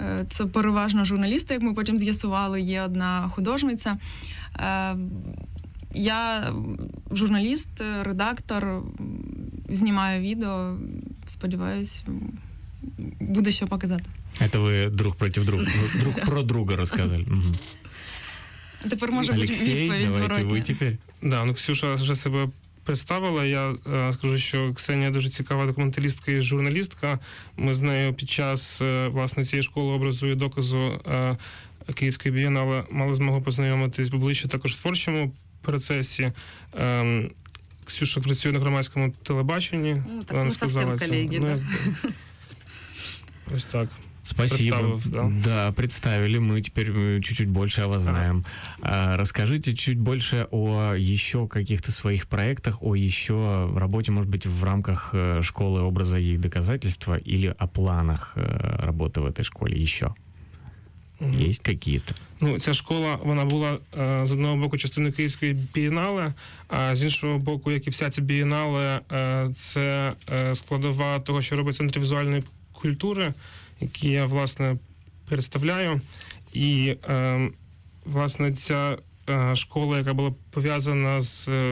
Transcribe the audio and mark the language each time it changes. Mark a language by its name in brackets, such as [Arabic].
[Ukrainian] Це переважно журналісти, як ми потім з'ясували, є одна художниця. Я журналіст, редактор, знімаю відео, сподіваюсь, буде що показати. [Russian] Это вы друг против друга, друг про друга рассказывали. Теперь можем быть Алексей, давайте вы теперь. Да, ну Ксюша уже себя представила. Я скажу еще, Ксения [Ukrainian] дуже цікава [Russian] документалистка и журналистка. Мы с нею [Ukrainian] під час власне цієї школи образу і доказу Київської бієнале мали змогу познайомитись поближче також в творчому процесі. Ксюша працює на громадському телебаченні. [Russian] Ну, так не совсем коллеги, ну, да. [Ukrainian] Ось так. [Russian] Спасибо. Да, представили. Мы теперь чуть-чуть больше о вас знаем. Расскажите чуть больше о еще каких-то своих проектах, о еще работе, может быть, в рамках школы образа и доказательства или о планах работы в этой школе еще. Есть какие-то? [Ukrainian] Ну, ця школа, вона була з одного боку частиною Київської бієнале, а з іншого боку, як і вся ця бієнале, це складова того, що робить Центр візуальної культури, які я, власне, представляю. І, власне, ця школа, яка була пов'язана з